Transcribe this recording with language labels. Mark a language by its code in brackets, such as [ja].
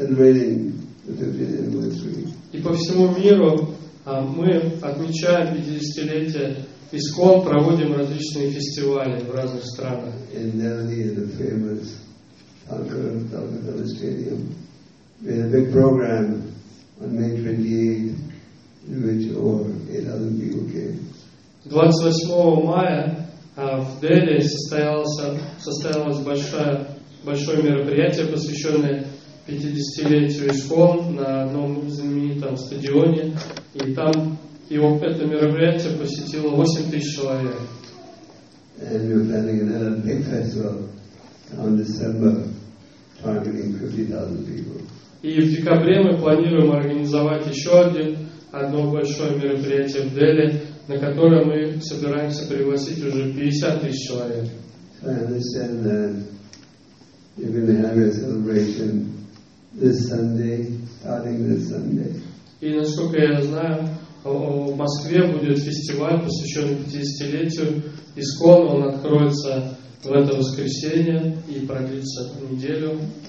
[ru] И по всему миру мы отмечаем 50-летие ИСКОН, проводим различные фестивали в разных странах. [en] In Delhi, the famous Talcott Stadium, we had a big program on May 28, in which over 8,000 people came. [ru] 28 мая в Дели состоялось большое мероприятие, посвященное 50-летию ИСКОН на одном знаменитом стадионе, и там его это мероприятие посетило 8 тысяч человек. [en] And we're planning another big festival on December, targeting 50,000 people. [ru] И в декабре мы планируем организовать еще одно большое мероприятие в Дели, на которое мы собираемся пригласить уже 50 тысяч человек. [en] So I understand that you're going to have a celebration this Sunday, starting this Sunday. [ru] И насколько я знаю, в Москве будет фестиваль, посвященный 50-летию ИСКОН. Он откроется в это воскресенье и продлится неделю.